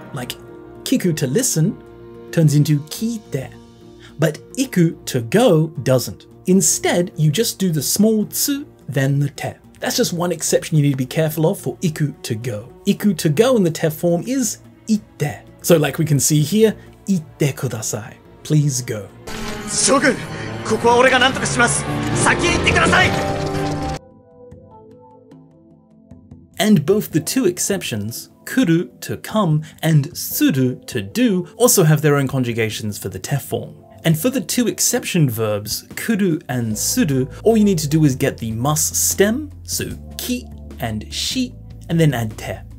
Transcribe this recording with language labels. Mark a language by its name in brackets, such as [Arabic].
[English] Like kiku to listen turns into kiite, but iku to go doesn't. Instead, you just do the small tsu, then the te. That's just one exception you need to be careful of for iku to go. Iku to go in the te form is ite. So like we can see here, ite kudasai. Please go. [Japanese] 諸君、ここは俺が何とかします。先へ行ってください。 [English] And both the two exceptions, kuru to come and suru to do, also have their own conjugations for the te form. And for the two exception verbs, kuru and suru, all you need to do is get the masu stem, so ki and shi, and then add te.